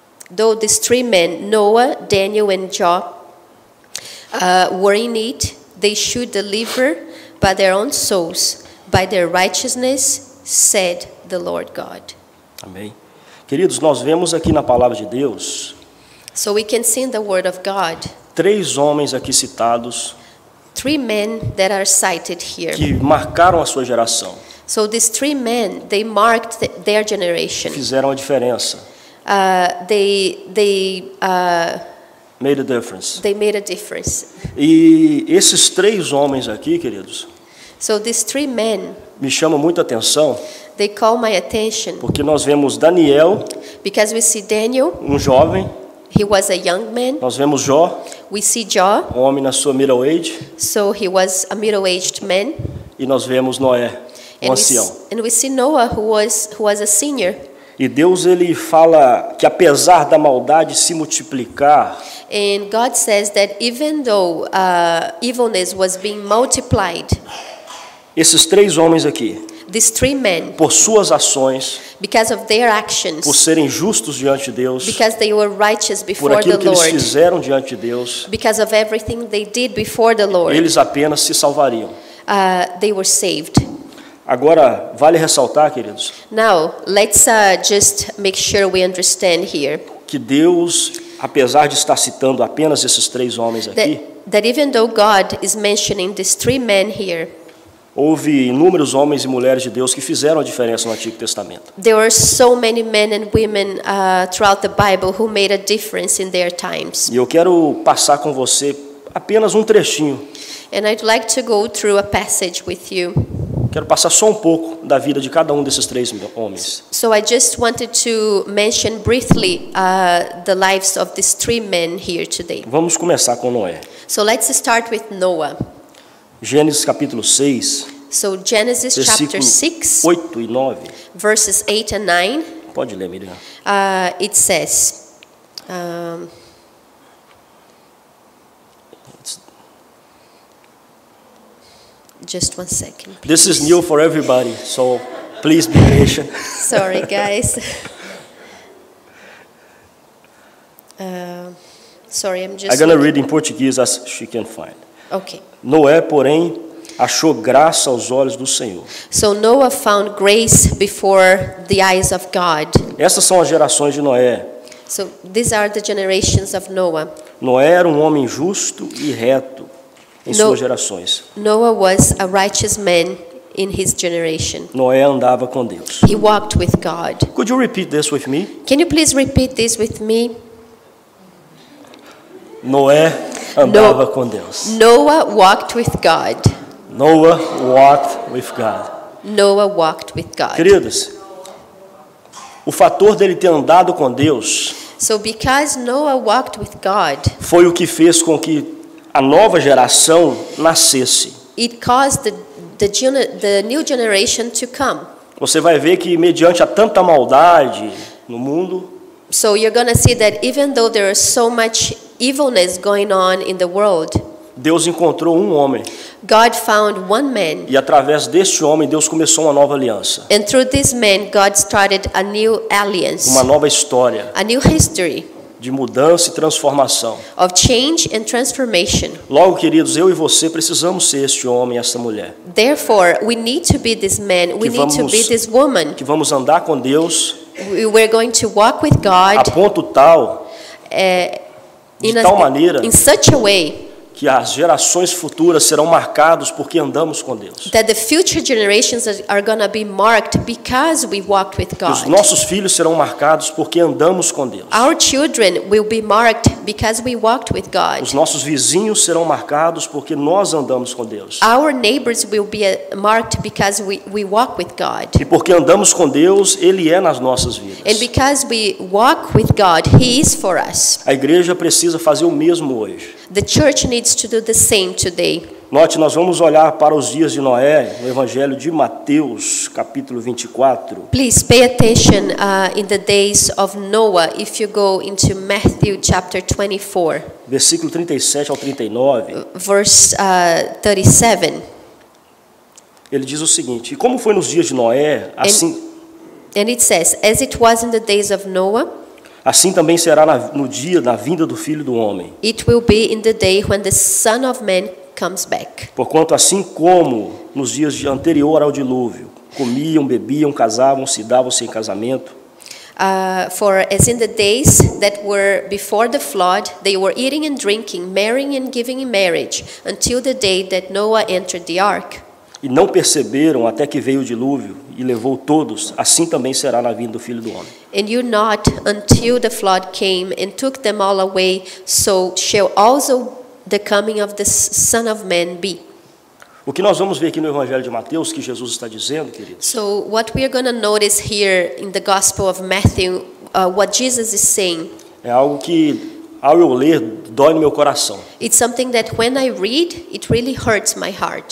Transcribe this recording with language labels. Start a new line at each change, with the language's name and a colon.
English: Though these three men, Noah, Daniel, and Job, were in it, they should deliver by their own souls, by their righteousness, said the Lord God.
Portuguese: Amém. Queridos, nós vemos aqui na palavra de Deus.
English: So we can see in the word of God.
Portuguese: Três homens aqui citados.
English: Three men that are cited here.
Portuguese: Que marcaram a sua geração.
English: So these three men, they marked their generation.
Portuguese: Fizeram a diferença.
English: Made a difference. They made a difference.
Portuguese: E esses três homens aqui, queridos.
English: So these three men.
Portuguese: Me chama muita atenção.
English: They call my attention.
Portuguese: Porque nós vemos Daniel.
English: Because we see Daniel.
Portuguese: Um jovem.
English: He was a young man.
Portuguese: Nós vemos Jó.
English: We see Jó.
Portuguese: Um homem na sua
English: middle age. So he was a middle-aged man.
Portuguese: E nós vemos Noé, um ancião.
English: And we see Noah, who was a senior.
Portuguese: E Deus ele fala que apesar da maldade se multiplicar.
English: And God says that even though evilness was being multiplied.
Portuguese: Esses três homens aqui.
English: These three men,
Portuguese: por suas ações,
English: because of their actions,
Portuguese: por serem justos diante de Deus,
English: because they were righteous before
Portuguese: por aquilo
English: the
Portuguese: que
English: Lord,
Portuguese: eles fizeram diante de Deus,
English: because of everything they did before the Lord,
Portuguese: eles apenas se salvariam.
English: They were saved.
Portuguese: Agora, vale ressaltar, queridos,
English: now, let's just make sure we understand here,
Portuguese: que Deus, apesar de estar citando apenas esses três homens aqui,
English: that even though God is mentioning these three men here,
Portuguese: houve inúmeros homens e mulheres de Deus que fizeram a diferença no Antigo Testamento.
English: There were so many men and women throughout the Bible who made a difference in their times.
Portuguese: E eu quero passar com você apenas um trechinho.
English: And I'd like to go through a passage with you.
Portuguese: Quero passar só um pouco da vida de cada um desses três homens.
English: So I just wanted to mention briefly the lives of these three men here today.
Portuguese: Vamos começar com Noé.
English: So let's start with Noah.
Portuguese: Gênesis capítulo 6.
English: So Genesis chapter 6.
Portuguese: 8 e 9.
English: Verses 8 and 9.
Portuguese: Pode ler, Miriam.
English: It says just one second. Please. This is new for everybody, so please be patient. Sorry, guys. I'm going to read in Portuguese as she can find. Okay.
Portuguese: Noé, porém, achou graça aos olhos do Senhor.
English: So Noah found grace before the eyes of God.
Portuguese: Essas são as gerações de Noé.
English: So these are the generations of Noah.
Portuguese: Noé era um homem justo e reto em suas gerações.
English: Noah was a righteous man in his generation.
Portuguese: Noé andava com Deus.
English: He walked with God. Could you repeat this with me? Can you please repeat this with me?
Portuguese: Noé andava com Deus.
English: Noah walked with God. Noah walked with God. Noah walked with God.
Portuguese: Queridos, o fator dele ter andado com Deus,
English: so because Noah walked with God,
Portuguese: foi o que fez com que a nova geração nascesse.
English: It caused the new generation to come.
Portuguese: Você vai ver que mediante a tanta maldade no mundo,
English: so you're going to see that even though there is so much evilness going on in the world,
Portuguese: Deus encontrou um homem.
English: God found one man.
Portuguese: E através deste homem Deus começou uma nova aliança.
English: And through this man God started a new alliance.
Portuguese: Uma nova história.
English: A new history.
Portuguese: De mudança e transformação.
English: Of change and transformation.
Portuguese: Logo, queridos, eu e você precisamos ser este homem e esta mulher.
English: Therefore, we need to be this man. We need to be this woman.
Portuguese: Que vamos andar com Deus.
English: We're going to walk with God.
Portuguese: A ponto tal.
English: In such a way
Portuguese: que as gerações futuras serão marcadas porque andamos com Deus.
English: That the future generations are going to be marked because we walked with God.
Portuguese: Que os nossos filhos serão marcados porque andamos com Deus.
English: Our children will be marked because we walked with God.
Portuguese: Os nossos vizinhos serão marcados porque nós andamos com Deus.
English: Our neighbors will be marked because we walk with God.
Portuguese: E porque andamos com Deus, ele é nas nossas vidas.
English: And because we walk with God, he is for us.
Portuguese: A igreja precisa fazer o mesmo hoje.
English: The church needs to do the same today.
Portuguese: Note, nós vamos olhar para os dias de Noé, no Evangelho de Mateus, capítulo 24.
English: Please pay attention in the days of Noah if you go into Matthew chapter 24.
Portuguese: Versículo 37 ao 39.
English: Verse 37.
Portuguese: Ele diz o seguinte: e como foi nos dias de Noé, assim.
English: And it says, as it was in the days of Noah.
Portuguese: Assim também será no dia da vinda do Filho do Homem.
English: It will be in the day when the Son of Man comes back.
Portuguese: Porquanto assim como nos dias de anterior ao dilúvio, comiam, bebiam, casavam-se, davam-se em casamento.
English: For as in the days that were before the flood, they were eating and drinking, marrying and giving in marriage, until the day that Noah entered the ark.
Portuguese: E não perceberam até que veio o dilúvio e levou todos, assim também será na vinda do Filho do Homem.
English: And you not until the flood came and took them all away, so shall also the coming of the Son of Man be.
Portuguese: O que nós vamos ver aqui no Evangelho de Mateus que Jesus está dizendo, queridos?
English: So what we are going to notice here in the Gospel of Matthew, what Jesus is saying.
Portuguese: É algo que ao eu ler dói no meu coração.
English: It's something that when I read, it really hurts my heart.